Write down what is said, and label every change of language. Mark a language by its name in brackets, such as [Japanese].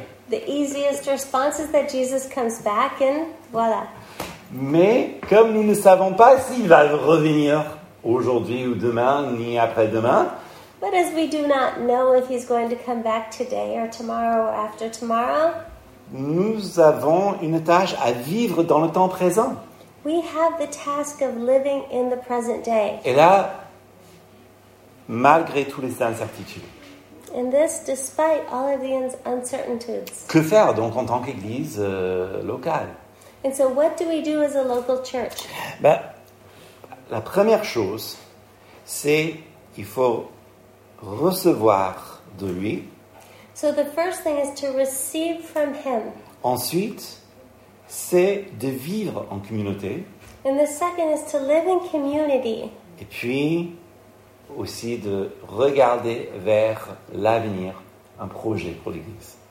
[English] The easiest response is that Jesus comes back and voilà. [French] Mais comme nous ne savons pas s'il va revenir aujourd'hui ou demain ni après-demain. [English] But as we do not know if he's going to come back today or tomorrow or after tomorrow. [French] Nous avons une tâche à vivre dans le temps présent. [English] We have the task of living in the present day. [French] Et là, malgré toutes les incertitudes. [English] And this, despite all of the uncertainties. [French] Que faire donc en tant qu'église locale? [English] And so what do we do as a local church? [French] Ben, la première chose, c'est qu'il faut recevoir de lui. [English] So the first thing is to receive from him. [French] Ensuite, c'est de vivre en communauté. [English] And the second is to live in community. [French] Et puis aussi de regarder vers l'avenir, un projet pour l'Église.